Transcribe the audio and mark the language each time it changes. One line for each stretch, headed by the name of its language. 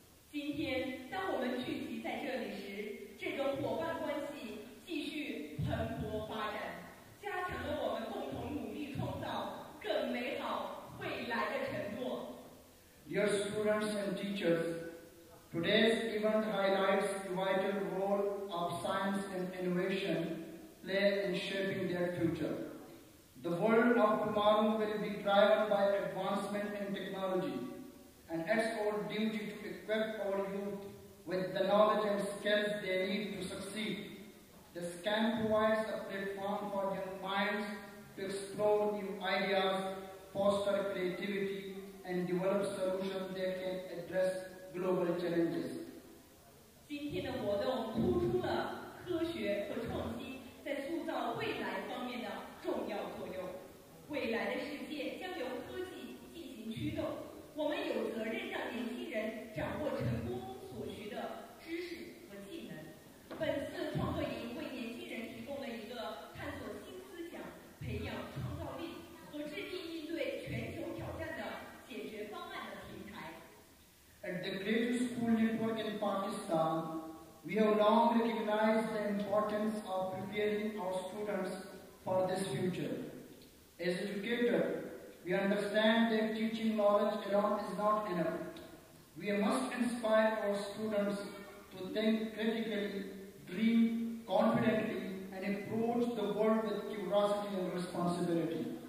Chinese: 今天，当我们聚集在这里时，这种伙伴关系继续蓬勃发展，加强了我们共同努力创造更美好未来的承诺。
English: Dear students and teachers, today's event highlights the vital role of science and innovation play in shaping their future. The world of tomorrow will be driven by advancement in technology, and it's our duty to equip our youth with the knowledge and skills they need to succeed. This camp provides a platform for young minds to explore new ideas, foster creativity, and develop solutions that can address global challenges.
Chinese: 今天的活动突出了科学和创新在塑造未来方面的重要作用。未来的世界将由科技进行驱动，我们有责任让年轻人掌握成功所需的知识和技能。本次创客营为年轻人提供了一个探索新思想、培养创造力和制定应对全球挑战的解决方案的平台。
English: School network in Pakistan, we have long recognized the importance of preparing our students for this future. As educators, we understand that teaching knowledge alone is not enough. We must inspire our students to think critically, dream confidently, and approach the world with curiosity and responsibility.